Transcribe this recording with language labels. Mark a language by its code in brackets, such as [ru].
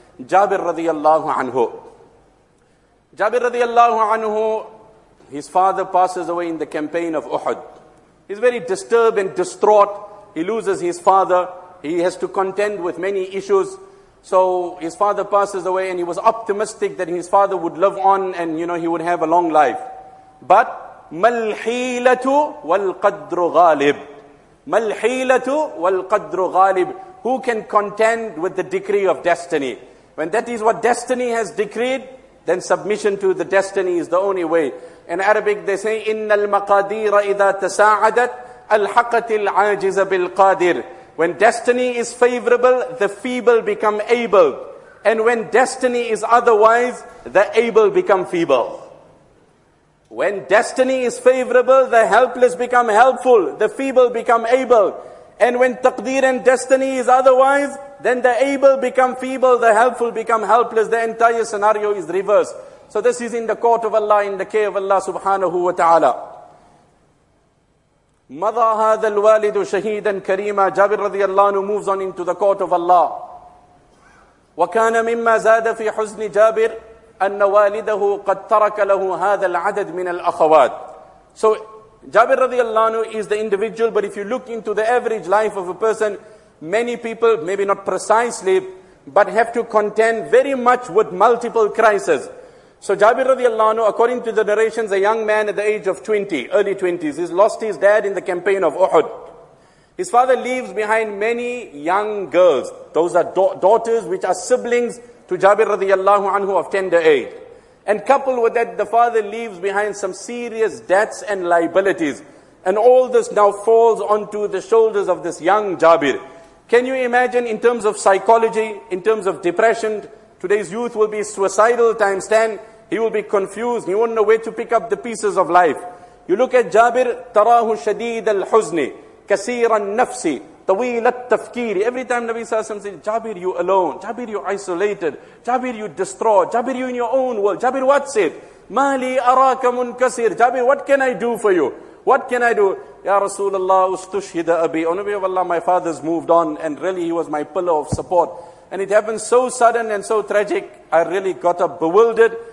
[en] Jabir radiallahu anhu. Jabir radiallahu anhu, his father passes away in the campaign of Uhud. He's very disturbed and distraught. He loses his father. He has to contend with many issues. So his father passes away and he was optimistic that his father would live on and, you know, he would have a long life. But, [ar] مَالْحِيلَةُ وَالْقَدْرُ غَالِبُ. مَالْحِيلَةُ وَالْقَدْرُ غَالِبُ. [en] Who can contend with the decree of destiny? When that is what destiny has decreed, then submission to the destiny is the only way. In Arabic they say, [ar] إِنَّ الْمَقَادِيرَ إِذَا تَسَاعَدَتْ أَلْحَقَتِ الْعَاجِزَ بِالْقَادِرِ. [en] When destiny is favorable, the feeble become able. And when destiny is otherwise, the able become feeble. When destiny is favorable, the helpless become helpful, the feeble become able. And when taqdeer and destiny is otherwise, then the able become feeble, the helpful become helpless. The entire scenario is reversed. So this is in the court of Allah, in the care of Allah subhanahu wa ta'ala. [ar] مَضَى هَذَا الْوَالِدُ شَهِيدًا كَرِيمًا. [en] Jabir radiallahu anhu moves on into the court of Allah. [ar] وَكَانَ مِمَّا زَادَ فِي حُزْنِ جَابِرْ أَنَّ وَالِدَهُ قَدْ تَرَكَ لَهُ هَذَا الْعَدَدْ مِنَ الْأَخَوَاتِ. [en] So Jabir radiallahu anhu is the individual, but if you look into the average life of a person, many people, maybe not precisely, but have to contend very much with multiple crises. So Jabir radiallahu anhu, according to the narrations, a young man at the age of 20, early 20s, he's lost his dad in the campaign of Uhud. His father leaves behind many young girls. Those are daughters which are siblings to Jabir radiallahu anhu of tender age. And coupled with that, the father leaves behind some serious debts and liabilities. And all this now falls onto the shoulders of this young Jabir. Can you imagine in terms of psychology, in terms of depression, today's youth will be suicidal times 10. He will be confused. He won't know where to pick up the pieces of life. You look at Jabir, [ar] تَرَاهُ شَدِيدَ الْحُزْنِ كَسِيرًا النَّفْسِ طَوِيلَ التَّفْكِيرِ. [en] Every time Nabi Sallallahu Alaihi Wasallam says, Jabir, you alone. Jabir, you isolated. Jabir, you distraught. Jabir, you in your own world. Jabir, what's it? [ar] مَالِي أَرَاكَ مُنْكَسِيرٌ. [en] Jabir, what can I do for you? What can I do? [ar] Ya Rasulullah, أُسْتُشْهِدَ أَبِي. [en] O Nabi of Allah, my father's moved on and really he was my pillar of support. And it happened so sudden and so tragic, I really got up bewildered.